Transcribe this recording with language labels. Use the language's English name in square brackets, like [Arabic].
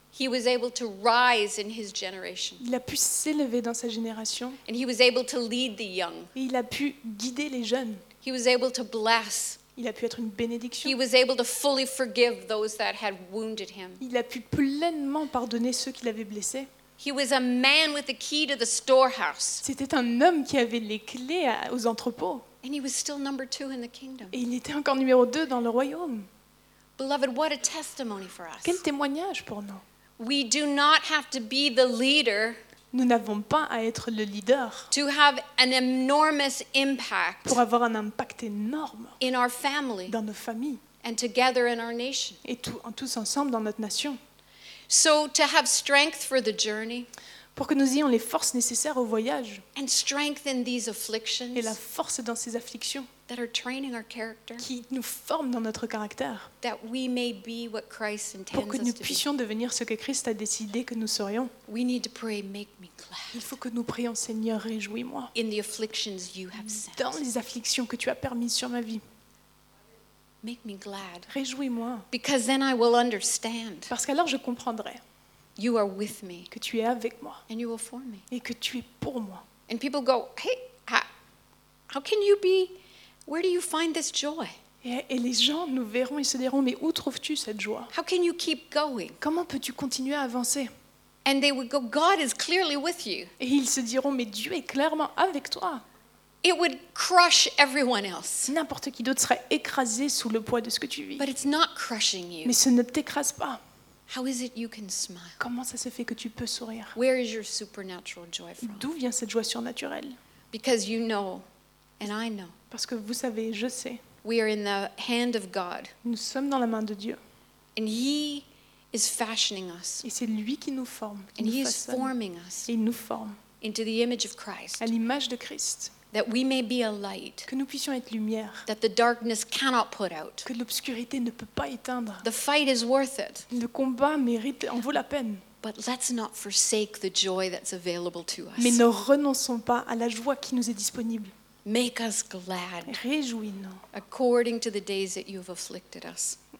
[English] he was able to rise in his generation. [French] Il a pu s'élever dans sa génération. [English] And he was able to lead the young. [French] Et il a pu guider les jeunes. [English] He was able to bless. [French] Il a pu être une bénédiction. [English] He was able to fully forgive those that had wounded him. [French] Il a pu pleinement pardonner ceux qui l'avaient blessé. [English] He was a man with the key to the storehouse. [French] C'était un homme qui avait les clés aux entrepôts. [English] And he was still number two in the kingdom. [French] Et il était encore numéro 2 dans le royaume. [English] Beloved, what a testimony for us. [French] Quel témoignage pour nous. [English] We do not have to be the leader. [French] Nous n'avons pas à être le leader. [English] To have an enormous impact. [French] Pour avoir un impact énorme. [English] In our family. [French] Dans nos familles. [English] And together in our nation. [French] Et tous ensemble dans notre nation. [English] So to have strength for the journey. [French] Pour que nous ayons les forces nécessaires au voyage [English] and strengthen these afflictions, [French] et la force dans ces afflictions [English] that are training our character, [French] qui nous forment dans notre caractère [English] that we may be what Christ intends [French] pour que nous [English] us [French] puissions [English] to be. [French] Devenir ce que Christ a décidé que nous serions. [English] We need to pray, make me glad. [French] Il faut que nous prions, Seigneur, réjouis-moi [English] in the afflictions you have sent. [French] Dans les afflictions que tu as permises sur ma vie. [English] Make me glad. [French] Réjouis-moi. [English] Because then I will understand. [French] Parce qu'alors je comprendrai. [English] You are with me. [French] Que tu es avec moi. [English] And you will for me. [French] Et que tu es pour moi. [English] And people go, hey, how can you be? Where do you find this joy? [French] Et les gens nous verront et se diront, mais où trouves-tu cette joie? [English] How can you keep going? [French] Comment peux-tu continuer à avancer? [English] And they would go, God is clearly with you. [French] Et ils se diront, mais Dieu est clairement avec toi. [English] It would crush everyone else. [French] N'importe qui d'autre serait écrasé sous le poids de ce que tu vis. [English] But it's not crushing you. [French] Mais ce ne t'écrase pas. [English] How is it you can smile? [French] Comment ça se fait que tu peux sourire? [English] Where is your supernatural joy from? [French] D'où vient cette joie surnaturelle? [English] Because you know, and I know. [French] Parce que vous savez, je sais. [English] We are in the hand of God. [French] Nous sommes dans la main de Dieu. [English] And he is fashioning us. [French] Et c'est lui qui nous forme. [English] And [French] nous [English] he [French] façonne. [English] Is forming us. [French] Et il nous forme. [English] Into the image of Christ. [French] À l'image de Christ. [English] That we may be a light. [French] Que nous puissions être lumière. [English] That the darkness cannot put out. [French] Que l'obscurité ne peut pas éteindre. [English] The fight is worth it. [French] Le combat mérite, en vaut la peine. [English] But let's not forsake the joy that's available to us. [French] Mais ne renonçons pas à la joie qui nous est disponible. [English] Make us glad. [French] Réjouis-nous. [English] According to the days that you have afflicted us.